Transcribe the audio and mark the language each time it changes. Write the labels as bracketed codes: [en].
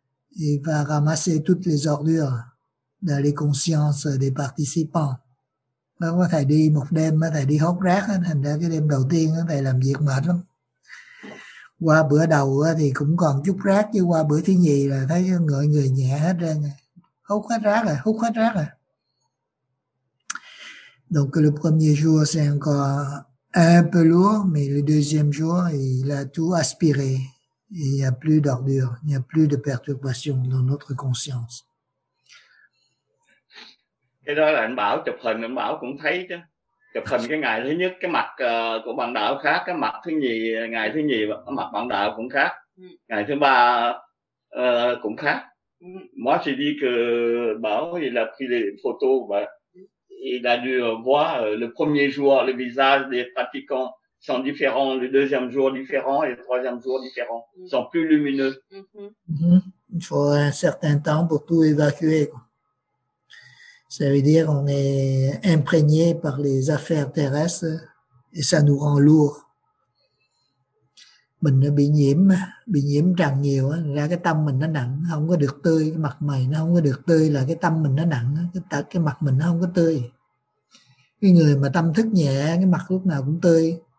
[fr] Il va ramasser toutes les ordures dans les consciences des participants. [vi] Donc, thầy đi một đêm, thầy đi hốc rác, thành ra cái đêm đầu tiên, thầy làm việc mệt lắm. Qua bữa đầu thì cũng còn chút rác, chứ qua bữa thứ nhì là thấy người người nhẹ hết ra, hút hết rác rồi. [fr] Donc le premier jour c'est encore un peu lourd, mais le deuxième jour il a tout aspiré, Il n'y a plus d'ordures, il n'y a plus de perturbations dans notre conscience. [vi] Cái đó là anh Bảo chụp hình, anh Bảo cũng thấy chứ. Chụp hình cái ngày thứ nhất, cái mặt của bạn đạo khác, cái mặt thứ nhì, ngày thứ nhì mặt bạn đạo cũng khác. Ngày thứ ba cũng khác. [fr] Moi j'ai dit que Bảo il a pris les photos, bah, il a dû voir le premier jour le visage des pratiquants sont différents, le deuxième jour différent et le troisième jour différent, sont plus lumineux. Mm-hmm. Il faut un certain temps pour tout évacuer. Ça veut dire qu'on est imprégné par les affaires terrestres et ça nous rend lourd. [vi] Mình nó bị nhiễm trần nhiều á, ra cái tâm mình nó nặng, không có được tươi, cái mặt mày nó không có được tươi là cái tâm mình nó nặng, cái mặt mình nó không có tươi. Cái người mà tâm thức nhẹ, cái mặt lúc nào cũng tươi.